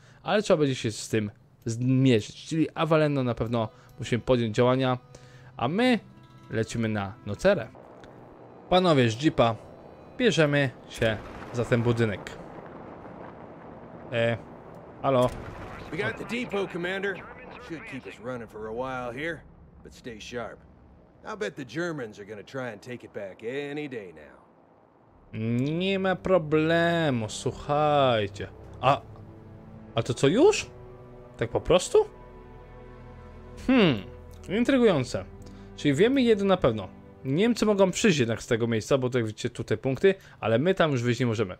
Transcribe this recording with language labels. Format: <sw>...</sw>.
<pl>Ale trzeba będzie się z tym zmierzyć. Czyli Avellino na pewno musimy podjąć działania. A my lecimy na Nocerę. Panowie z Jeepa, bierzemy się za ten budynek. Halo?</pl> <en>We got the depot, Commander. Should keep us running for a while here, but stay sharp. I'll bet the Germans are gonna try and take it back any day now.</en> <pl>Nie ma problemu, słuchajcie. A to co już? Tak po prostu? Intrygujące. Czyli wiemy jedno na pewno. Niemcy mogą przyjść jednak z tego miejsca, bo tak widzicie tutaj punkty, ale my tam już wyjść nie możemy.</pl>